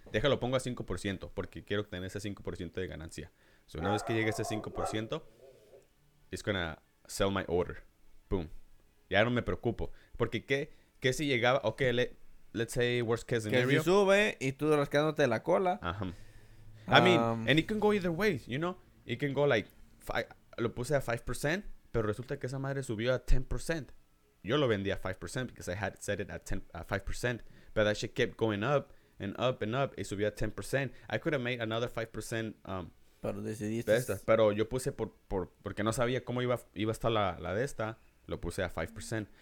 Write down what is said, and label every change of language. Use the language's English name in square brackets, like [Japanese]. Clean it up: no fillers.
[Spanish] Déjalo, pongo a 5% porque quiero tener ese 5% de ganancia. So, una vez que llegue ese 5%, [English] it's gonna sell my order. Boom. [Spanish] Ya no me preocupo. Porque qué si llegaba, [English] ok, let's say worst case scenario. [Spanish] Que si sube y tú rascándote la cola. Ajá. [English] I mean, and it can go either way, you know. It can go like, [Spanish] lo puse a 5%, pero resulta que esa madre subió a 10%. Yo lo vendí a [English] 5% because I had set it at 5%, but that shit kept going up and up and up. It [Spanish] subió [English] a 10%. I could have made another 5%. [Spanish] Pero decidiste. De esta. Pero yo puse porque no sabía cómo iba a estar la de esta, lo puse a 5%.